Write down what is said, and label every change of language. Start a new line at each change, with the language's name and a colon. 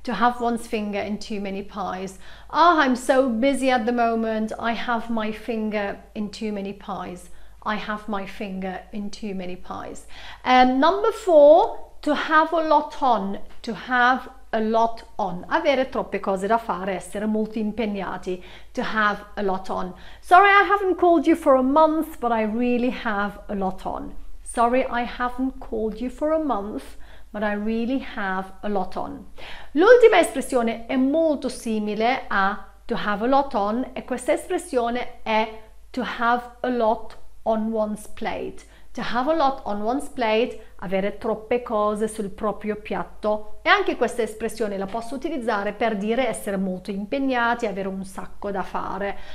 English: To have one's finger in too many pies. Oh, I'm so busy at the moment. I have my finger in too many pies. I have my finger in too many pies. Number four, to have a lot on. To have a lot on.
Italian: Avere troppe cose da fare, essere molto impegnati.
English: To have a lot on. Sorry, I haven't called you for a month, but I really have a lot on. Sorry, I haven't called you for a month, but I really have a lot on.
Italian: L'ultima espressione è molto simile a
English: to have a lot on,
Italian: e questa espressione è
English: to have a lot on one's plate. To have a lot on one's plate,
Italian: avere troppe cose sul proprio piatto. E anche questa espressione la posso utilizzare per dire essere molto impegnati, avere un sacco da fare.